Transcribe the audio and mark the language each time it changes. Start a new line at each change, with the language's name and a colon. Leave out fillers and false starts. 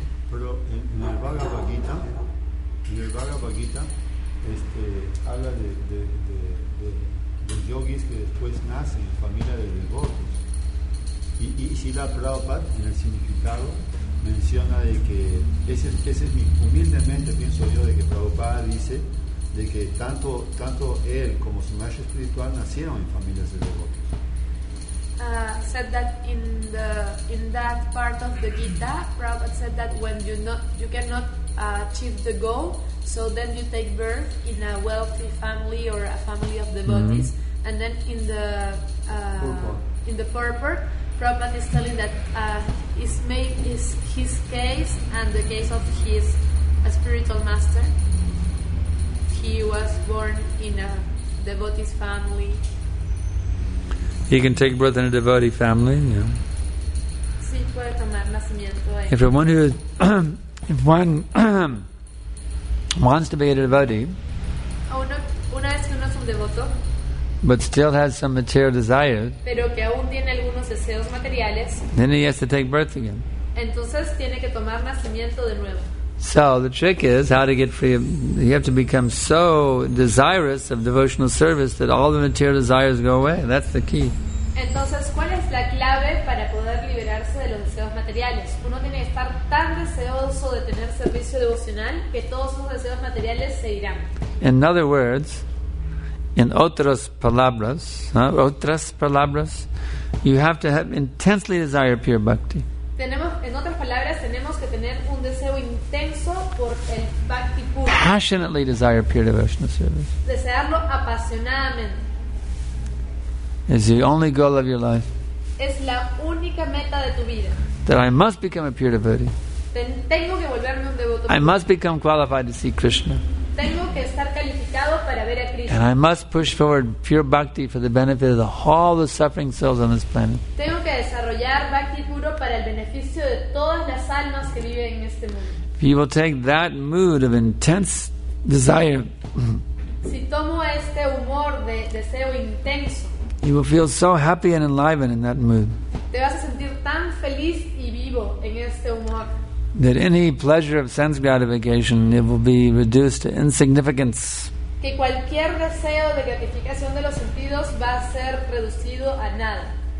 Spanish: Pero en el Bhagavad Gita, habla de yogis que después nacen en familia de devotos. Y Shila Prabhupada, en el significado, menciona de que ese es mi, humildemente pienso yo, de que Prabhupada dice de que tanto él como su maestro espiritual nacieron en familias de devotos.
English: Said that in that part of the Gita, Prabhupada said that when you cannot achieve the goal, so then you take birth in a wealthy family or a family of devotees, mm-hmm. and then in the purport, Prabhupada is telling that is his case and the case of his spiritual master. He was born in a devotee's family. He can take birth in a devotee family. Yeah.
Spanish: Sí, puede tomar nacimiento ahí.
English: If one who, if one wants to be a devotee,
Spanish: una vez que uno es un devoto,
English: but still has some material desires,
Spanish: pero que aún tiene algunos deseos materiales,
English: then he has to take birth again.
Spanish: Entonces tiene que tomar nacimiento de nuevo.
English: So the trick is how to get free. You have to become so desirous of devotional service that all the material desires go away. That's the key.
Spanish: Entonces, ¿cuál es la clave para poder liberarse de los deseos materiales? Uno tiene que estar tan deseoso de tener servicio devocional que todos sus deseos materiales se irán.
English: In other words, in
Spanish: otras palabras,
English: you have to have intensely desire pure bhakti.
Spanish: Tenemos que tener un deseo intenso por el bhakti puro.
English: Passionately desire pure devotional service.
Spanish: Desearlo apasionadamente.
English: Is the only goal of your life.
Spanish: Es la única meta de tu vida.
English: That I must become a pure devotee.
Spanish: Tengo que volverme un devoto puro.
English: I must become qualified to see Krishna.
Spanish: Tengo que estar calificado para ver a Krishna.
English: And I must push forward pure bhakti for the benefit of all the suffering souls on this planet.
Spanish: Tengo que desarrollar bhakti puro para el beneficio de todas las almas que viven en este mundo.
English: People take that mood of intense desire.
Spanish: Si tomo este humor de deseo intenso,
English: you will feel so happy and enlivened in that mood.
Spanish: Te vas a sentir tan feliz y vivo en este humor.
English: That any pleasure of sense gratification, it will be reduced to insignificance.
Spanish: Que cualquier deseo de gratificación de los sentidos va a ser reducido a nada.